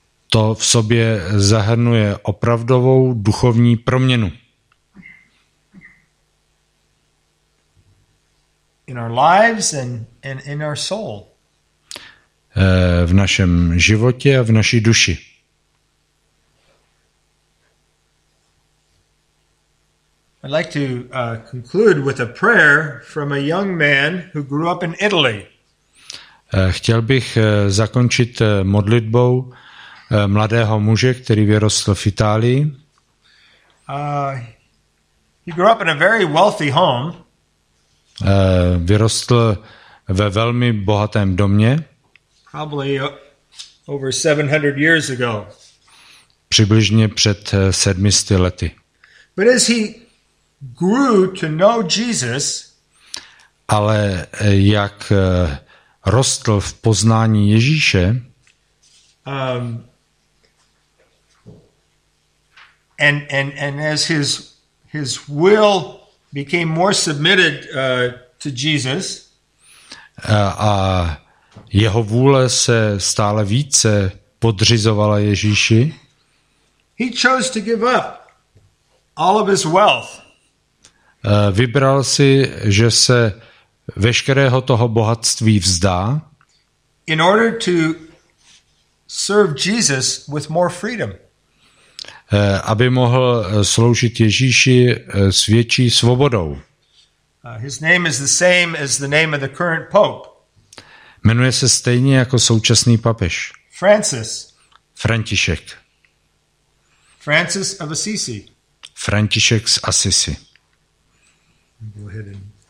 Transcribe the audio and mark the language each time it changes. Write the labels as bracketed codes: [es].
[cs] To v sobě zahrnuje opravdovou duchovní proměnu. [en] In our lives and in our soul. [cs] V našem životě a v naší duši. [en] I'd like to conclude with a prayer from a young man who grew up in Italy. [cs] Chtěl bych zakončit modlitbou mladého muže, který vyrostl v Itálii. [en] He grew up in a very wealthy home. [cs] Vyrostl ve velmi bohatém domě. [en] Probably over 700 years ago. [cs] Přibližně před 700 lety. [en] But as he grew to know Jesus, [cs] ale jak rostl v poznání Ježíše, [en] and as his will became more submitted to Jesus, [cs] a jeho vůle se stále více podřizovala Ježíši. [en] He chose to give up all of his wealth. [cs] Vybral si, že se veškerého toho bohatství vzdá. [en] In order to serve Jesus with more freedom. [cs] Aby mohl sloužit Ježíši s větší svobodou. [en] His name is the same as the name of the current pope. [cs] Jmenuje se stejně jako současný papež. [en] Francis. [cs] František. [en] Francis of Assisi. [cs] František z Assisi. [en] Go ahead and...